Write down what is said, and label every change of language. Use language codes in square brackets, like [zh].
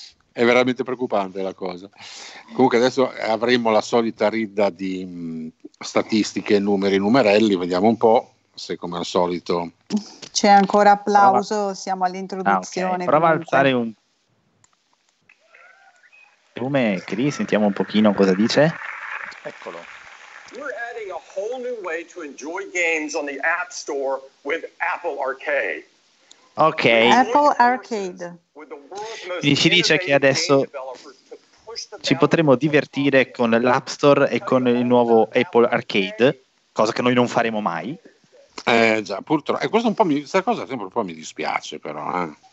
[it] È veramente preoccupante la cosa. Comunque adesso avremo la solita ridda di statistiche, numeri, numerelli, vediamo un po' se come al solito. C'è ancora applauso, prova. Siamo all'introduzione. Ah, okay. Prova a alzare un volume, che lì sentiamo un pochino cosa dice. Eccolo. [en] We're adding a whole new way to enjoy games on the App Store with Apple Arcade. [it] Ok, Apple Arcade. Quindi ci dice che adesso ci potremo divertire con l'App Store e con il nuovo Apple Arcade, cosa che noi non faremo mai. Già, purtroppo. Questo un po' questa cosa sempre un po' mi dispiace, però.